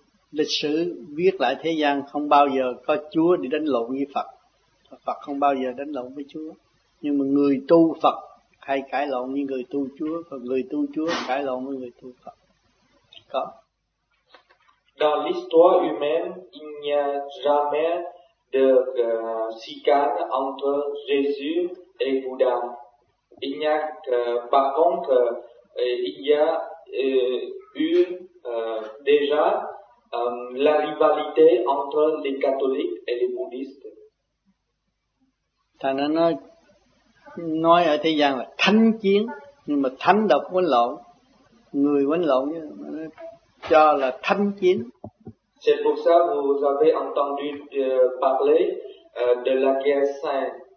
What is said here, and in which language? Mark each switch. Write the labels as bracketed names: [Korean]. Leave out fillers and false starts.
[Vietnamese] Lịch sử viết lại thế gian không bao giờ có Chúa đi đánh lộn với Phật. Phật không bao giờ đánh lộn với Chúa. Nhưng mà người tu Phật hay cãi lộn với người tu Chúa, và người tu Chúa cãi lộn với người tu Phật. Có. [French] Dans l'histoire humaine, il n'y a jamais de chicane entre Jésus et Bouddha. Il n'y a par contre, il y a eu déjà la rivalité entre les catholiques et les bouddhistes. [Vietnamese] Thầy nói ở thế gian là thánh chiến, nhưng mà thánh đâu có quánh lộn, người quánh lộn chứ. Cho là thánh chiến. [French] C'est pour ça que vous avez entendu parler de la guerre sainte.